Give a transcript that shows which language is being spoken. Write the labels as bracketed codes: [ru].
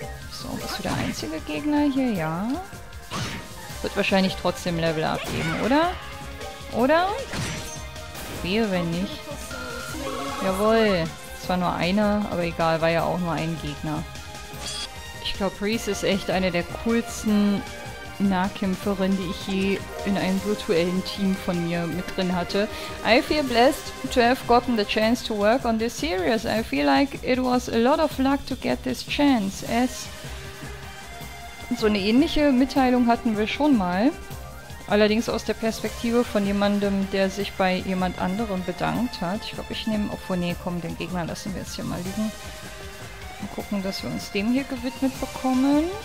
[de] So, bist du der einzige Gegner hier? Ja. Wird wahrscheinlich trotzdem Level abgeben, oder? Oder? Wehe, wenn nicht. Jawohl. Zwar nur einer, aber egal, war ja auch nur ein Gegner. Ich glaube, Reese ist echt eine der coolsten Nahkämpferin, die ich je in einem virtuellen Team von mir mit drin hatte. [en] I feel blessed to have gotten the chance to work on this series. I feel like it was a lot of luck to get this chance. [de] As so eine ähnliche Mitteilung hatten wir schon mal. Allerdings aus der Perspektive von jemandem, der sich bei jemand anderem bedankt hat. Ich glaube, ich nehme... Obwohl, nee, komm, den Gegner lassen wir jetzt hier mal liegen. Mal gucken, dass wir uns dem hier gewidmet bekommen.